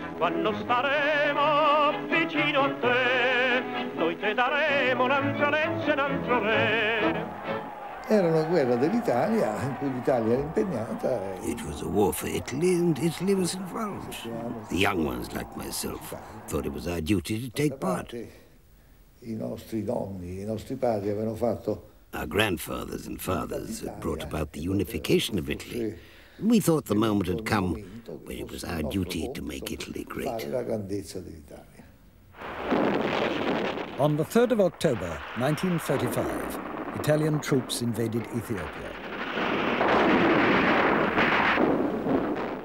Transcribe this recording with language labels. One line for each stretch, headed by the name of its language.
Italian: Quando staremo vicino a te, noi te daremo un'altra legge, un altro re. Era una guerra dell'Italia, in cui l'Italia era impegnata.
English: It was a war for Italy, and Italy was involved. The young ones, like myself, thought it was our duty to take part.
Italian: I nostri nonni, I nostri padri avevano fatto.
English: Our grandfathers and fathers had brought about the unification of Italy. We thought the moment had come when it was our duty to make Italy great.
Italian: La grandezza dell'Italia.
English: On the 3rd of October, 1935, Italian troops invaded Ethiopia.